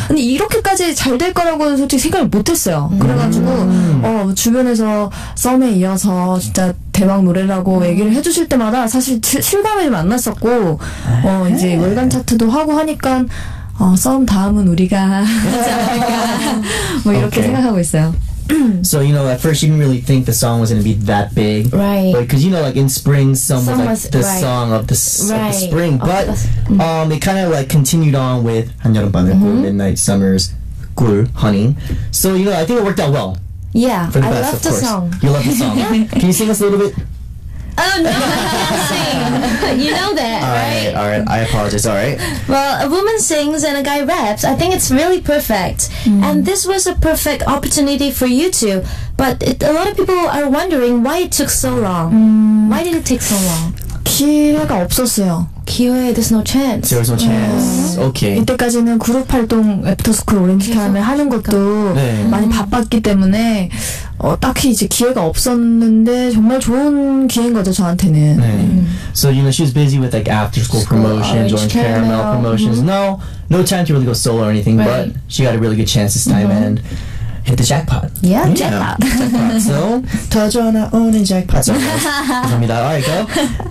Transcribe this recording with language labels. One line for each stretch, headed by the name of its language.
Korean: 근데 이렇게까지 잘 될 거라고는 솔직히 생각을 못 했어요. 그래가지고, 주변에서 썸에 이어서 진짜 대박 노래라고 얘기를 해주실 때마다 사실 실감이 좀 안 났었고, 이제 월간 차트도 하고 하니까, 썸 다음은 우리가 하지 않을까. 뭐 이렇게 okay. 생각하고 있어요.
English: So, you know, at first you didn't really think the song was going to be that big. Right. Because, you know, like in spring, some was like the right. song of the, right. of the spring. But it kind of like continued on with 한여름밤의 꿀, Midnight Summer's 꿀, Honey. So, you know, I think it worked out well. Yeah. For the I best, love of the course. Song. You love the song. Can you sing us a little bit? Oh, no, I can't sing. You know that, right? All right, I apologize. All right. Well, a woman sings and a guy raps. I think it's really perfect. Mm. And this was a perfect opportunity for you two. But a lot of people are wondering why it took so long. Mm. Why did it take so long?
Korean: 기회가 없었어요. 기회에
English: there's no chance. There was no chance. Yeah. Okay.
Korean: 이때까지는 그룹 활동, 애프터스쿨 오렌지 캐러멜 하는 것도 네. 많이 바빴기 때문에 딱히 이제 기회가 없었는데 정말 좋은 기회인 거죠 저한테는. 네.
English: So you know she's busy with like after school promotions, orange caramel promotions. No time to really go solo or anything. Right. But she got a really good chance this time and. Hit the jackpot. Yeah, jackpot. So,
Korean: 터져나오는
English: jackpot.
Korean: 감사합니다.
English: All right, go.